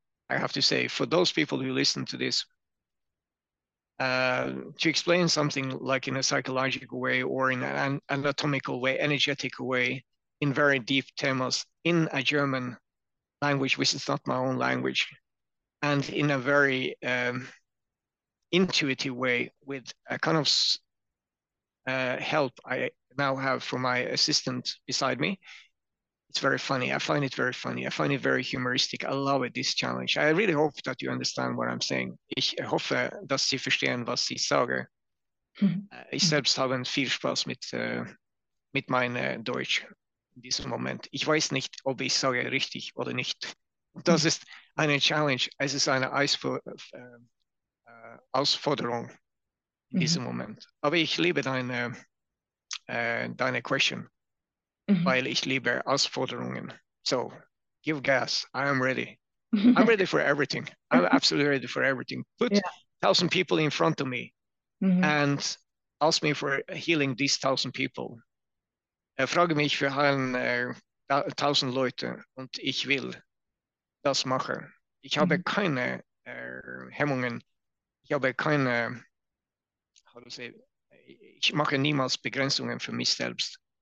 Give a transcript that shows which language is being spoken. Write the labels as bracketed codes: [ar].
[en] I have to say, for those people who listen to this, to explain something like in a psychological way or in an anatomical way, energetic way, in very deep terms, in a German language, which is not my own language, and in a very intuitive way, with a kind of help I now have for my assistant beside me. It's very funny. I find it very funny. I find it very humoristic. I love it, this challenge. I really hope that you understand what I'm saying. [de] Ich hoffe, dass Sie verstehen, was ich sage. Ich selbst habe viel Spaß mit meinem Deutsch in diesem Moment. Ich weiß nicht, ob ich sage richtig oder nicht. Das ist eine Challenge. Es ist eine Herausforderung in diesem Moment. Aber ich liebe deine Question, weil ich liebe Herausforderungen. [en] So, give gas. I am ready. I'm ready for everything. I'm absolutely ready for everything. Put 1,000 people in front of me and ask me for healing these 1,000 people. [de] Frage mich für heilen 1,000 Leute und ich will das machen. Ich habe keine Hemmungen. Ich habe keine, [en] how to say, [de] ich mache niemals Begrenzungen für mich selbst.